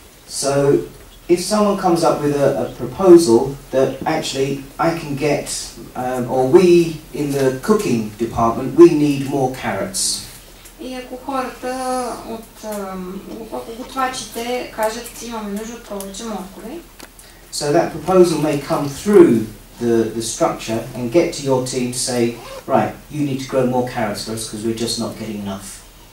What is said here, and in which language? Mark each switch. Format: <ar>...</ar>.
<en>So if someone comes up with a proposal that actually I can get, or we in the cooking department, we need more carrots.</en> <bg>И ако хората от готвачите кажат, че имаме нужда от повече моркови.</bg> <en>So that proposal may come through the structure and get to your team to say, right, you need to grow more carrots for us because we're just not getting enough.</en>